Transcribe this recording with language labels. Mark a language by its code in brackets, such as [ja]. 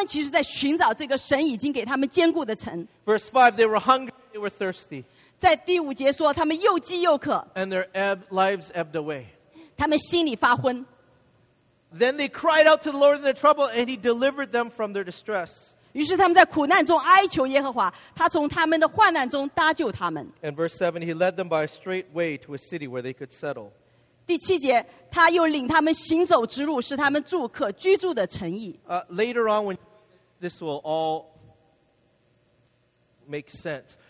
[zh] 所以神已经应许他们会给他们葡萄园会给他们所住的这些地方所以他们其实在寻找这个神已经给他们坚固的城。 [en] Verse 5, they were hungry, they were thirsty. [zh] 在第五节说, 他们又饥又渴, [en] and their lives ebbed away. [zh] 他们心里发昏。 [en] Then they cried out to the Lord in their trouble, and he delivered them from their distress. [zh] 于是他们在苦难中哀求耶和华, 他从他们的患难中搭救他们。 [en] And verse 7, he led them by a straight way to a city where they could settle. [zh] 第七节, 他又领他们行走直路, 使他们住可居住的城邑。 [en] Later on, when this will all make sense.